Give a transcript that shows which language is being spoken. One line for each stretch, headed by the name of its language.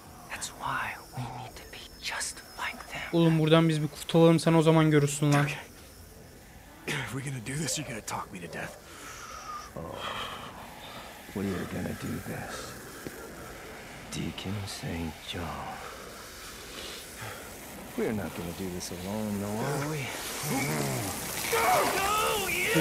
English: That's why we need to be just like them.
Turkish: Oğlum buradan biz bir kurtulalım, sen o zaman görürsün lan.
English: If we're gonna do this, you're gonna talk me to death. Oh, we're gonna do this. Deacon St. John. We're not gonna do this alone, no, are we?